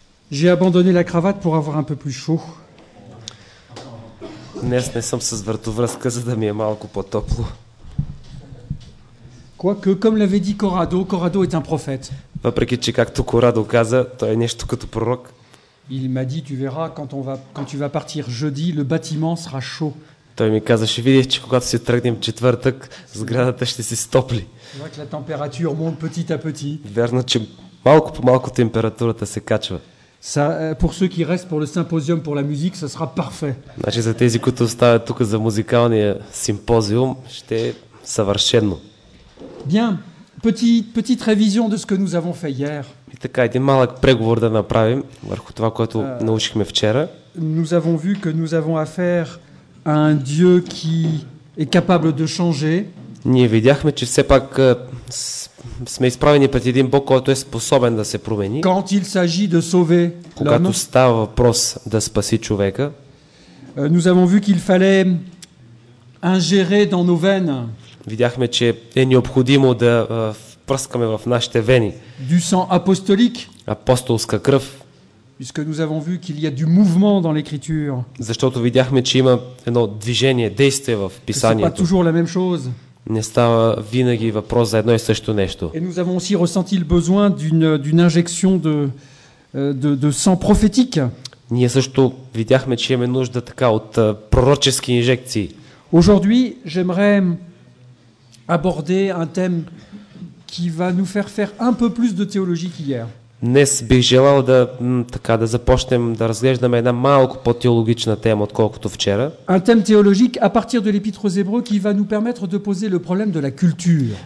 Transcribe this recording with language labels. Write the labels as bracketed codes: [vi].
[fr] J'ai abandonné la cravate pour avoir un peu plus chaud. [bg] Днес не съм с вратовръзка, за да ми е малко по-топло. [fr] Quoique, comme l'avait dit Corrado, Corrado est un prophète. [bg] Въпреки че, както Корадо каза, той е нещо като пророк. [fr] Il m'a dit, tu verras, quand tu vas partir jeudi, le bâtiment sera chaud. [bg] Той ми каза, ще видиш, че когато си тръгнем четвъртък, сградата ще се стопли. [fr] Donc la température monte petit à petit. [bg] Верно, че малко по малко температурата се качва. [fr] Ça, pour ceux qui restent pour le symposium pour la musique, ça sera parfait. [bg] Значи за тези, които остават тук за музикалния симпозиум, ще е съвършено. [fr] Bien, petite révision de ce que nous avons fait hier. [bg] И така, един малък преговор да направим върху това, което научихме вчера. [fr] Nous avons vu que nous avons affaire à un Dieu qui est capable de changer. [bg] Ние видяхме, че все пак сме изправени пред един Бог, който е способен да се промени. [fr] Quand il s'agit de sauver l'homme. [bg] Когато става въпрос да спаси човека. [fr] Nous avons vu qu'il fallait ingérer dans nos veines. [bg] Видяхме, че е необходимо да пръскаме в нашите вени. [fr] Du sang apostolique. [bg] Апостолска кръв. [fr] Puisque nous avons vu qu'il y a du mouvement dans l'écriture. [bg] Защото видяхме, че има едно движение, действие в писанието. [fr] C'est pas toujours la même chose. [bg] Не става винаги въпрос за едно и също нещо. [fr] Et nous avons aussi ressenti le besoin d'une injection de sang prophétique. [bg] Ние също видяхме, че имаме нужда така от пророчески инжекции. [fr] Aujourd'hui, j'aimerais aborder un thème qui va nous faire un peu plus de théologie qu'hier. [bg] Днес бих желал да започнем да разглеждаме една малко по-теологична тема, отколкото вчера. [fr] Un thème théologique à partir de l'épître aux Hébreux qui va nous permettre de poser le problème de la culture.